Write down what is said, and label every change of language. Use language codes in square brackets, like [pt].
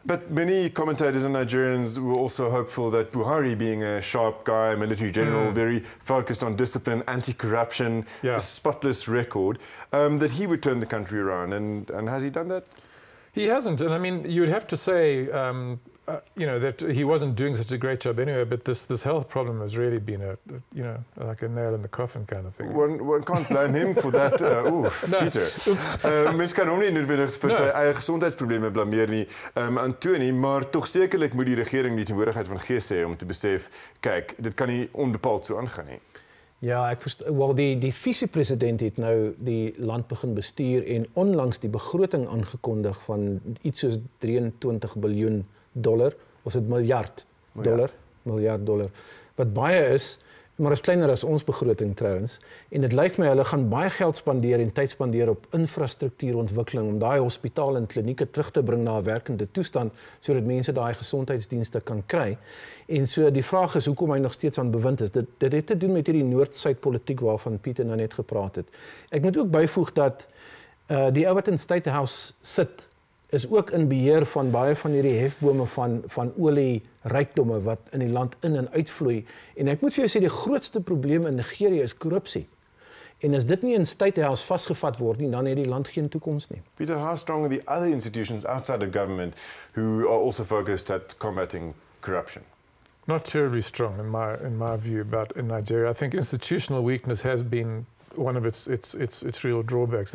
[en] But many commentators and Nigerians were also hopeful that Buhari, being a sharp guy, military general, very focused on discipline, anti-corruption, a spotless record, that he would turn the country around. And has he done that? He hasn't, and I mean, you'd have to say, you know, that he wasn't doing such a great job anyway. But this health problem has really been a you know, like a nail in the coffin kind of thing. One can't blame him for that. Peter. [af] Mens kan ook nie noodwendig vir sy eie gesondheidsprobleme blameer nie, Anthony. Maar toch sekerlik moet die regering die teenwoordigheid van geest hê om te besef, kyk, dit kan nie onbepaald so aangaan nie. Ja, ek verstaan. Wel, die vice-president het nou die land begin bestuur en onlangs die begroting aangekondig van iets soos 23 biljoen dollar, of is het miljard dollar? Miljard dollar. Wat baie is, maar is kleiner as ons begroting trouwens, en het lyk my hulle gaan baie geld spandeer en tyd spandeer op infrastruktuurontwikkeling om daai hospitaal en klinieke terug te bring na 'n werkende toestand, sodat mense daai gesondheidsdienste kan kry. En so die vraag is, hoekom hy nog steeds aan bewind is. Dit het te doen met hierdie noord-suid politiek waarvan Pieter nou net gepraat het. Ek moet ook byvoeg dat die ou wat in State House sit, is ook in beheer van baie van hierdie hefbome van olie rykdomme wat in die land in en uitvloei. En ek moet vir jou sê, die grootste probleem in Nigeria is korrupsie. En as dit nie in State House vasgevat word nie, dan het die land geen toekoms nie. [en] Peter, how strong are the other institutions outside the government who are also focused at combating corruption? Not terribly strong in my view about in Nigeria. I think institutional weakness has been one of its real drawbacks.